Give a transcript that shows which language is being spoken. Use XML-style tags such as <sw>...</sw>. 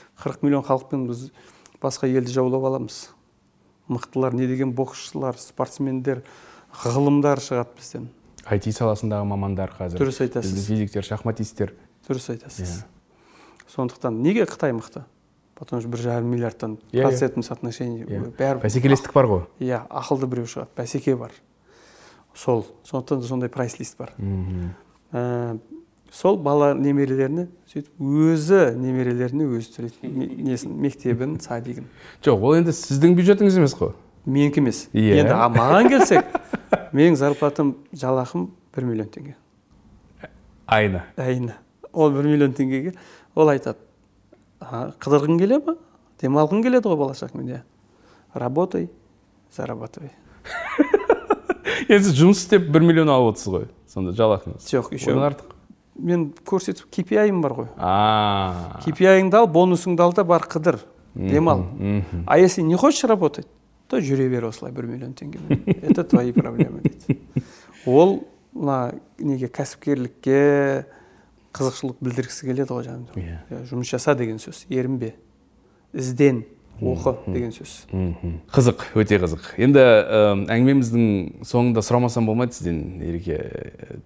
<kk>40 миллион халықпен біз басқа елді жаулап аламыз. Мықтылар не деген боксшылар, спортсмендер, ғылымдар шығады бізден. IT саласындағы мамандар қазір. Дұрыс айтасыз. Физиктер, шахматистер. Дұрыс айтасыз. Сондықтан неге Қытай мықты?</kk> <ru>Потому что 1,5 миллиардтан процентный соотношение.</ru> <kk>Бәсекелестік бар ғой. Иә, ақылды біреу шығады. Бәсеке бар. Сол. Сондықтан сондай прайс лист бар. Сол бала немерелеріне, сөйтіп, өзі немерелеріне өзі төлейді. Несін, мектебін, садигін. Жоқ, ол енді сіздің бюджетіңіз емес қой? Менікі емес. Yeah. Енді маған келсек, менің зарплатам, жалақым 1 миллион теңге. Айына. Айына. Ол 1 миллион теңгеге. Ол айтады. Қыдырғың келе ма? Демалғың келеді ғой болашақ мен, иә.</kk> <ru>Работай, зарабатывай.</ru> <kk>Енді жұмыс істеп 1 миллион алып отырсыз ғой. Сонда жалақыңыз. Жоқ, еще. Одан артық. Мен көрсетіп KPI-ым бар ғой. KPI-ыңды ал, бонусыңды ал да бар қыдыр. Демал.</kk> <ru>А если не хочешь работать, то</ru> <kk>жүре бер осылай 1 миллион теңгемен.</kk> <ru>Это твои проблемы дейді.</ru> <kk>Ол неге кәсіпкерлікке қызықшылық білдіргісі келеді ғой жаным. Жұмыс жаса деген сөз, ерінбе. Ізден оқы деген сөз. Қызық, өте қызық. Енді әңгімеміздің соңында сұрамасам болмайды сізден, Ереке.</kk>